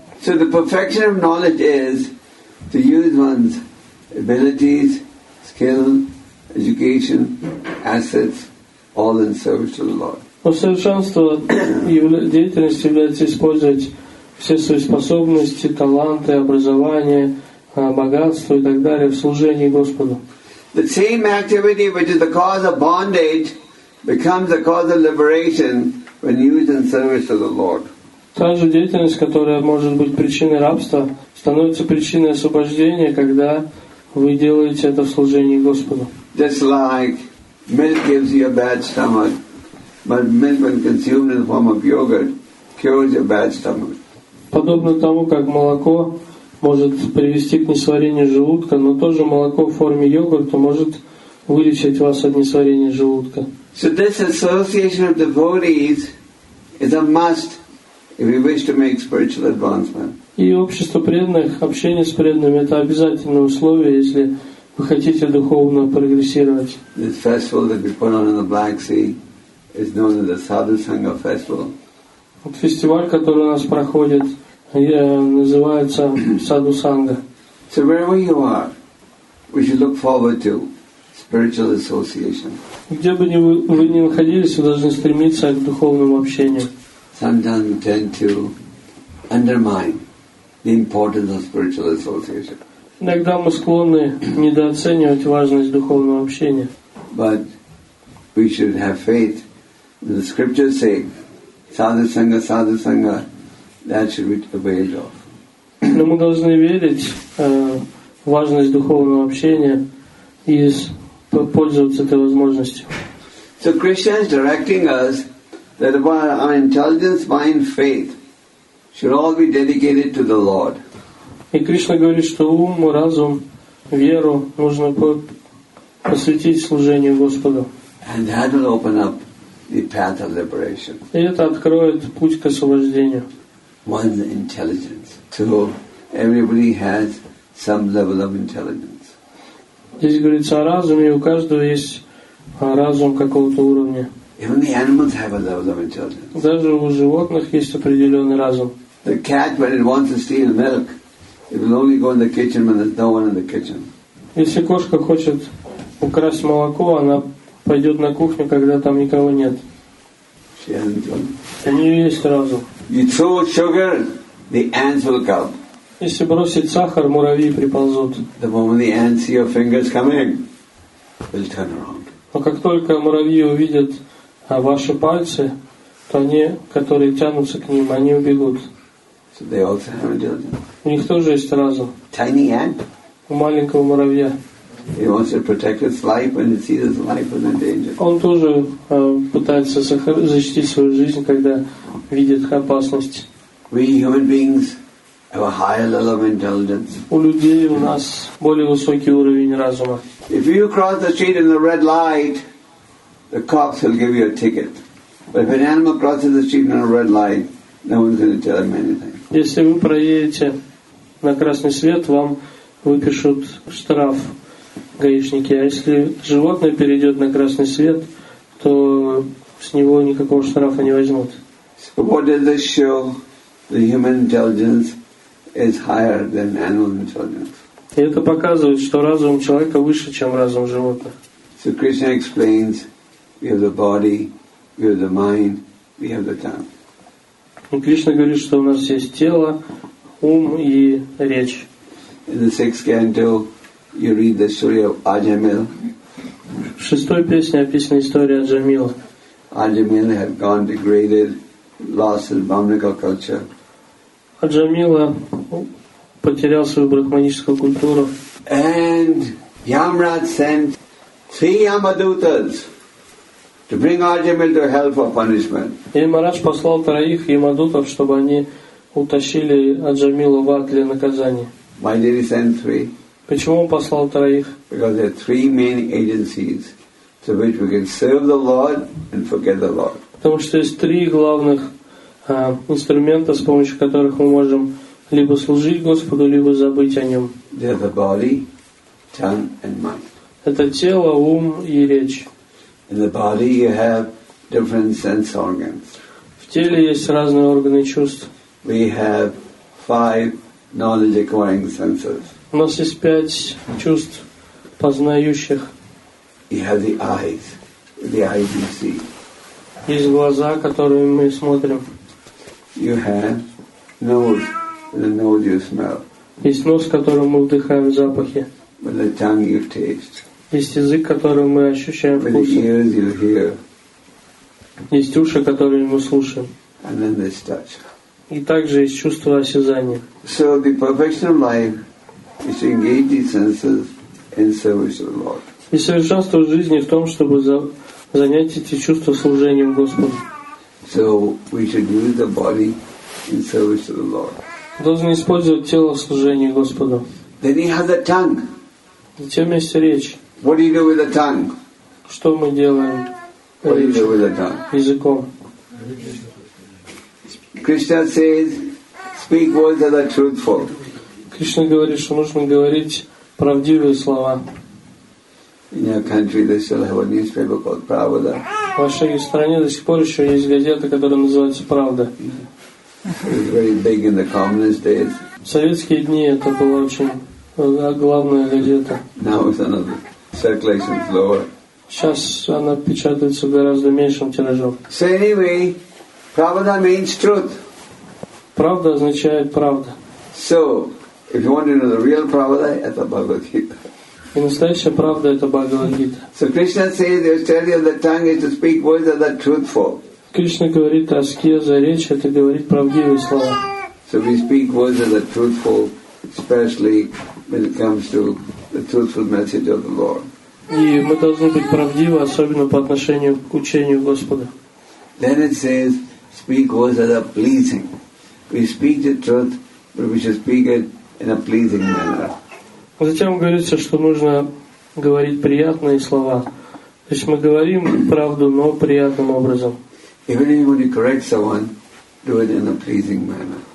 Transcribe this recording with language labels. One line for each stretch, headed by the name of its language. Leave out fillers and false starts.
English: So the perfection of knowledge is to use one's abilities, skill, education, assets, all in service to the Lord.
Russian: Но совершенство деятельности является использовать все свои способности, таланты, образование, богатство и так далее в служении Господу.
English: The same activity which is the cause of bondage becomes the cause of liberation when used in service to the Lord.
Russian: Та же деятельность, которая может быть причиной рабства, становится причиной освобождения, когда вы делаете это в служении Господу.
English: Just like milk gives you a bad stomach, but milk when consumed in the form of yogurt cures your bad stomach.
Russian: Подобно тому, как молоко может привести к несварению желудка, но тоже молоко в форме йогурта может вылечить вас от несварения желудка.
English: So this association of devotees is a must if we wish to make spiritual advancement.
Russian: И общество преданных, общение с преданными – это обязательное условие, если вы хотите духовно прогрессировать.
English: This festival that we put on in the Black Sea is known as the Sadhu Sangha festival.
Russian: Вот фестиваль, который у нас проходит, называется Sadhu Sangha.
English: So wherever you are, we should look forward to spiritual association.
Russian: Где бы вы ни находились, вы должны стремиться к духовному общению.
English: Sometimes we tend to undermine the importance of spiritual association.
Russian: Иногда мы склонны недооценивать важность духовного общения.
English: But we should have faith. The scriptures say, "Sadhu Sangha, Sadhu Sangha." That should be availed of.
Russian: Но мы должны верить в важность духовного общения и пользоваться этой возможностью.
English: So Krishna is directing us that our intelligence, mind, faith should all be dedicated to the Lord.
Russian: И Кришна говорит, что ум, разум, веру нужно посвятить служению Господу.
English: And that will open up the path of liberation.
Russian: И это откроет путь к освобождению.
English: One's intelligence. So everybody has some level of intelligence.
Russian: Здесь говорится о разуме, у каждого есть разум какого-то уровня.
English: Even the animals have a level of intelligence.
Russian: Даже у животных есть определенный разум.
English: The cat, when it wants to steal milk, it will only go in the kitchen when there's no one in the kitchen.
Russian: Если кошка хочет украсть молоко, она пойдет на кухню, когда там никого нет. У нее есть разум.
English: You throw sugar, the ants will come.
Russian: Если бросить сахар, муравьи приползут.
English: The moment the ants see your fingers coming, they'll turn around.
Russian: Но как только муравьи увидят ваши пальцы, то они, которые тянутся к ним, они убегут.
English: So they also have intelligence.
Russian: У них тоже есть разум.
English: Tiny ant.
Russian: У маленького муравья.
English: He wants to protect his life when he sees his life is in danger.
Russian: Он тоже пытается защитить свою жизнь, когда видит опасность.
English: We human beings have a higher level of intelligence.
Russian: У людей у нас более высокий уровень разума.
English: If you cross the street in the red light, the cops will give you a ticket. But if an animal crosses the street in a red light, no one's going to tell him anything.
Russian: Если вы проедете на красный свет, вам выпишут штраф гаишники. А если животное перейдет на красный свет, то с него никакого штрафа не возьмут.
English: So what does this show? The human intelligence is higher than animal intelligence.
Russian: И это показывает, что разум человека выше, чем разум животных.
English: So Krishna explains, we have the body, we have the mind, we have the tongue.
Russian: И Кришна говорит, что у нас есть тело, ум и речь.
English: In the sixth canto, you read the story of Ajamil.
Russian: В шестой песне описана история Аджамила.
English: Ajamil had gone degraded. Lost his brahmanical culture.
Russian: Аджамила потерял свою брахманическую культуру.
English: And Yamraj sent 3 Yamadutas to bring Ajamil to hell for punishment.
Russian: Ямарадж послал 3 Yamadutas, чтобы они утащили Аджамилу в ад для наказания.
English: Why did he send 3?
Russian: Почему он послал 3?
English: Because there are 3 main agencies through which we can serve the Lord and forget the Lord.
Russian: Потому что есть 3 главных инструмента, с помощью которых мы можем либо служить Господу, либо забыть о Нем.
English: They're the body, tongue, and mind.
Russian: Это тело, ум и речь.
English: In the body you have different sense organs.
Russian: В теле есть разные органы чувств.
English: We have 5 knowledge-acquiring senses.
Russian: У нас есть 5 чувств познающих.
English: You have the eyes. The eyes you see.
Russian: Есть глаза, которыми мы смотрим.
English: You have nose, the nose you smell.
Russian: Есть нос, которым мы вдыхаем запахи.
English: With the tongue you taste.
Russian: Есть язык, которым мы ощущаем вкус.
English: With the ears you hear.
Russian: Есть уши, которыми мы слушаем.
English: And then there's touch.
Russian: И также есть чувство осязания.
English: So the perfection of life is to engage these senses in service of the Lord.
Russian: И совершенство жизни в том, чтобы занять эти чувства служением Господу.
English: So we should use the body in service to the Lord.
Russian: Должны использовать тело в служении Господу.
English: Then he has a tongue.
Russian: Затем есть речь.
English: What do you do with the tongue?
Russian: Что мы делаем?
English: What do you do with the tongue?
Russian: Языком.
English: Krishna says, speak words that are truthful.
Russian: Кришна говорит, что нужно говорить правдивые слова.
English: In your country, they still have a newspaper called Pravda.
Russian: В вашей стране до сих пор еще есть газета, которая называется Правда.
English: It was very big in the communist days.
Russian: В советские дни это была очень главная газета.
English: Now it's another circulation lower.
Russian: Сейчас она печатается гораздо меньшим тиражом.
English: So anyway, Pravda means truth.
Russian: Правда означает правда.
English: So, if you want to know the real Pravda, it's a Bhagavad Gita.
Russian: И настоящая правда это Бхагавад Гита.
English: So Krishna says, you study of the tongue is to speak words that are truthful.
Russian: Кришна говорит, аскеза речи это говорить правдивые слова.
English: So we speak words that are truthful, especially when it comes to the truthful message of the Lord.
Russian: И мы должны быть правдивы, особенно по отношению к учению Господа.
English: Then it says, speak words that are pleasing. We speak the truth, but we should speak it in a pleasing manner.
Russian: Затем говорится, что нужно говорить приятные слова. То есть мы говорим правду, но приятным образом.
English: Even if you want to correct someone, do it in a pleasing manner.